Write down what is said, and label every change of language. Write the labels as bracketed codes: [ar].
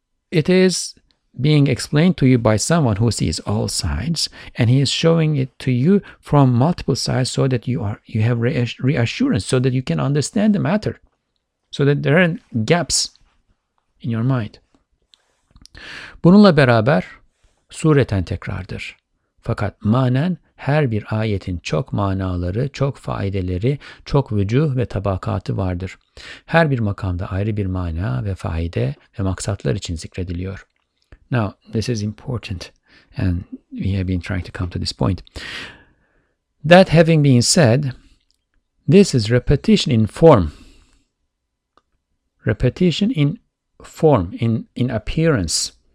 [en] It is being explained to you by someone who sees all sides, and he is showing it to you from multiple sides so that you have reassurance, so that you can understand the matter, so that there are gaps in your mind. [tr] Bununla beraber sureten tekrardır. Fakat manen her bir ayetin çok manaları, çok faideleri, çok vücuh ve tabakatı vardır. Her bir makamda ayrı bir mana ve faide ve maksatlar için zikrediliyor. [en] Now, this is important, and we have been trying to come to this point. That having been said, this is repetition in form. Repetition in form, in appearance.